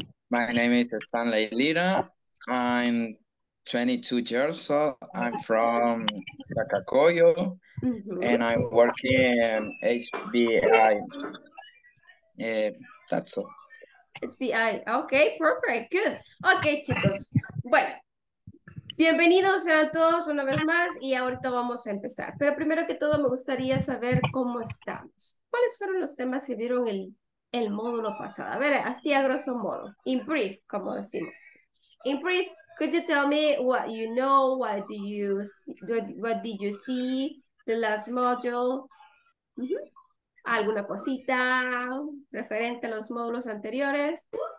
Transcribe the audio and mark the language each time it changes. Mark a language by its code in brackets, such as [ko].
[en] My name is Stanley Lira. I'm 22 years old. I'm from Tacacoyo, and I work in HBI. That's all. HBI. Okay, perfect. Good. Okay, [es] chicos. Bueno, bienvenidos a todos una vez más y ahorita vamos a empezar. Pero primero que todo me gustaría saber cómo estamos. ¿Cuáles fueron los temas que vieron el módulo pasado? A ver, así a grosso modo. [en] In brief, [es] como decimos. [en] In brief, could you tell me what you know, what did you see, the last module? [es] ¿Alguna cosita referente a los módulos anteriores?